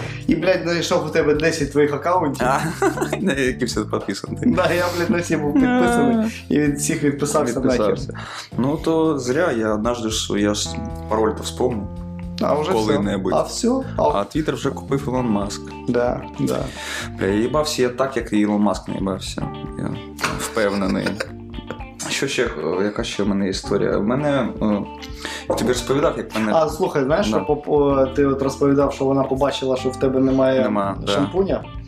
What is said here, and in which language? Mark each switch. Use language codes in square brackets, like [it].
[uk] І, блядь, зайшов у тебе 10 твоїх аккаунтів. А, на які все підписані. Да, я, блядь, на всі був підписаний. І від всіх відписався нахер. [ru] Ну, то зря, я однажды ж, я ж пароль-то вспомнив. [uk] А вже коли-небудь. Все. А все? А Твіттер вже купив Ілон Маск. Да, да. Бля, я їбався я так, як і Ілон Маск не їбався. Я впевнений. Що ще, яка ще в мене історія? В мене, я тобі розповідав, як мене... А, слухай, знаєш, да. Ти от розповідав, що вона побачила, що в тебе немає шампуня?